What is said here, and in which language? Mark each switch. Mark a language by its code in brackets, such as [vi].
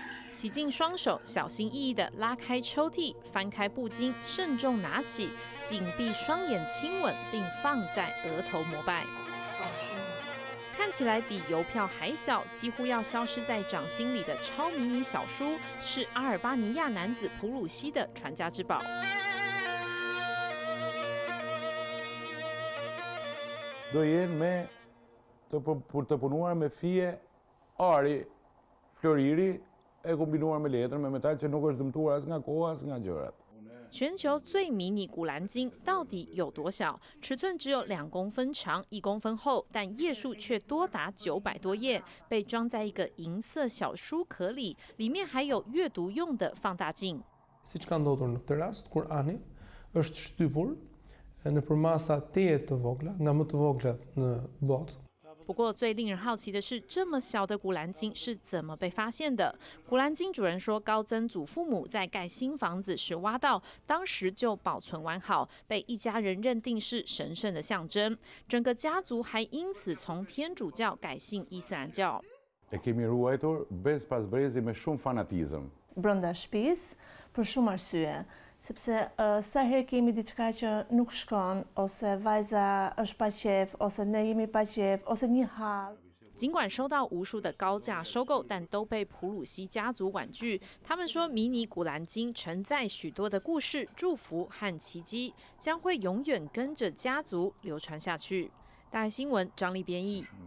[zh] 洗净双手，小心翼翼地拉开抽屉，翻开布巾，慎重拿起，紧闭双眼亲吻，并放在额头膜拜。看起来比邮票还小，几乎要消失在掌心里的超迷你小书，是阿尔巴尼亚男子普鲁西的传家之宝。 [sq] Do jenë me të punuar me fije, ari, floriri, e kombinuar me letrën, me metal që nuk është dëmtuar as nga koha, as nga gjërat。 [zh] 全球最迷你古兰经到底有多小？尺寸只有2公分长、1公分厚，但页数却多达900多页，被装在一个银色小书壳里，里面还有阅读用的放大镜。 [sq] Siç ka ndodhur në këtë rast, Kurani është shtypur。 [zh] 不过最令人好奇的是，这么小的古兰经是怎么被发现的？古兰经主人说，高曾祖父母在盖新房子时挖到，当时就保存完好，被一家人认定是神圣的象征，整个家族还因此从天主教改信伊斯兰教。 [sq] E kemi ruajtur brez pas brezi me shumë fanatizëm. Brenda shtëpis për shumë arsye. Sepse sa herë kemi diçka që nuk shkon, ose vajza është pa qef, ose ne jemi pa qef, ose një hall。 [zh] 尽管收到无数的高价收购，但都被普鲁西家族婉拒。他们说，迷你古兰经承载许多的故事、祝福和奇迹，将会永远跟着家族流传下去。大爱新闻张丽编译。